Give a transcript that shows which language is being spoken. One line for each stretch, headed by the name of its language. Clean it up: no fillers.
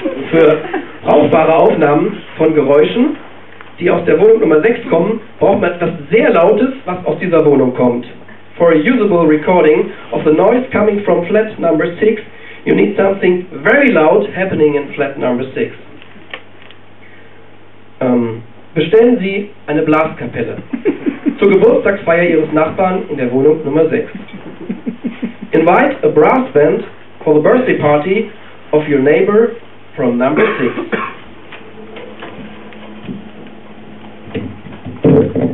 German: Für brauchbare Aufnahmen von Geräuschen, die aus der Wohnung Nummer 6 kommen, braucht man etwas sehr Lautes, was aus dieser Wohnung kommt.
English: For a usable recording of the noise coming from flat number 6, you need something very loud happening in flat number 6.
German: bestellen Sie eine Blaskapelle zur Geburtstagsfeier Ihres Nachbarn in der Wohnung Nummer 6.
English: Invite a brass band for the birthday party of your neighbor from number 6.